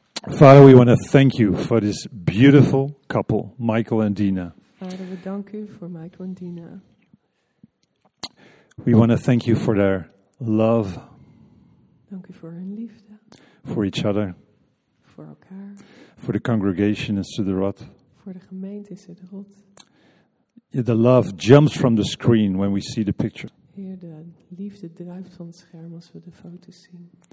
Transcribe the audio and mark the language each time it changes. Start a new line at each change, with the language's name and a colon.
English: Father, we want to thank you for this beautiful couple, Michael and Dina.
Dutch: Vader, we danken u voor Michael en Dina.
English: We want to thank you for their love.
Dutch: Dank u voor hun liefde.
English: For each other.
Dutch: Voor elkaar.
English: For the congregation in Sederot.
Dutch: Voor de gemeente in Sederot.
English: The love jumps from the screen when we see the picture.
Dutch: Heer, de liefde druipt van het scherm als we de foto's zien.